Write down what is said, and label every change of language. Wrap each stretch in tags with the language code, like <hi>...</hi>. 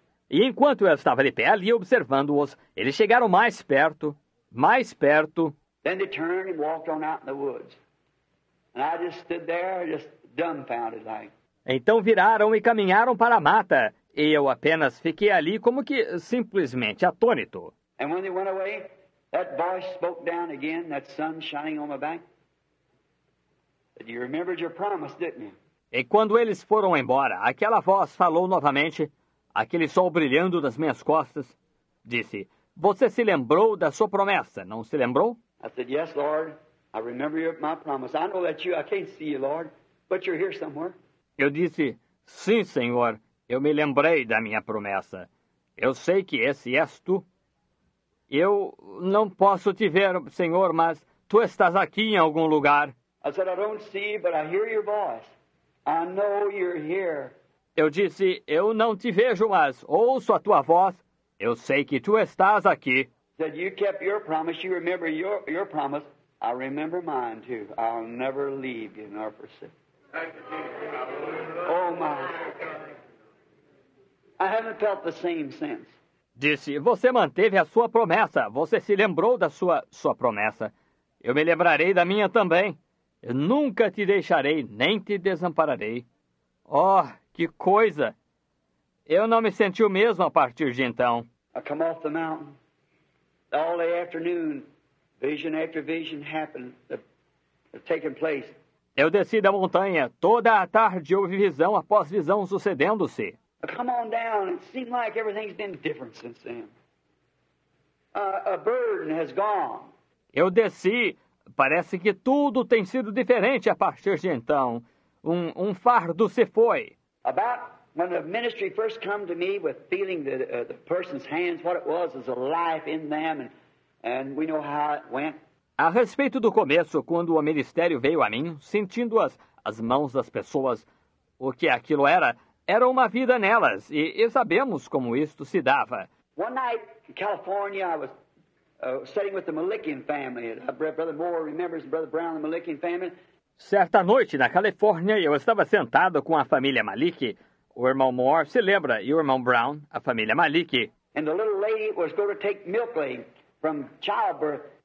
<pt>E enquanto eu estava de pé ali observando-os, eles chegaram mais perto. mais perto.</pt> <en>Then they turned and walked on out in the woods. And I just stood there, just dumbfounded like.</en> <pt>Então viraram e caminharam para a mata, e eu apenas fiquei ali como que simplesmente atônito.</pt> <en>And when they went away, that voice spoke down again, that sun shining on my back. You remembered your promise, didn't you?</en> <pt>E quando eles foram embora, aquela voz falou novamente, aquele sol brilhando nas minhas costas, disse, você se lembrou da sua promessa, não se lembrou?</pt> <en>I said, yes, Lord, I remember my promise. I know that you, I can't see you, Lord, but you're here somewhere.</en> <pt>Eu disse, sim, Senhor, eu me lembrei da minha promessa. Eu sei que esse és tu. Eu não posso te ver, Senhor, mas tu estás aqui em algum lugar.</pt> <en>I said, I don't see, but I hear your voice. I know you're here.</en> <pt>Eu disse, eu não te vejo, mas ouço a tua voz. Eu sei que tu estás aqui.</pt> <en>He said, you kept your promise, you remember your promise. I remember mine too. I'll never leave you nor forsake. Oh my. I haven't felt the same since.</en> <pt>Disse, você manteve a sua promessa. Você se lembrou da sua promessa. Eu me lembrarei da minha também. Eu nunca te deixarei, nem te desampararei. Oh, que coisa! Eu não me senti o mesmo a partir de então.</pt> <en>I come off the mountain. All the afternoon, vision after vision happened, taking place.</en> <pt>Eu desci da montanha. Toda a tarde houve visão após visão sucedendo-se.</pt> <en>Come on down. It seemed like everything's been different since then. A burden has gone.</en> <pt>Eu desci. Parece que tudo tem sido diferente a partir de então. Um fardo se foi.</pt> <en>About when the ministry first came to me with feeling the person's hands, what it was a life in them, and we know how it went.</en> <pt>A respeito do começo, quando o ministério veio a mim, sentindo as mãos das pessoas, o que aquilo era, era uma vida nelas, e sabemos como isto se dava.</pt> <en>One night in California, I was sitting with the Malikian family. Brother Moore remembers Brother Brown, the Malikian family.</en> <pt>Certa noite, na Califórnia, eu estava sentado com a família Malik. O irmão Moore se lembra, e o irmão Brown, a família Malik.</pt> <en>And the little lady was going to take milkling from childbirth.</en>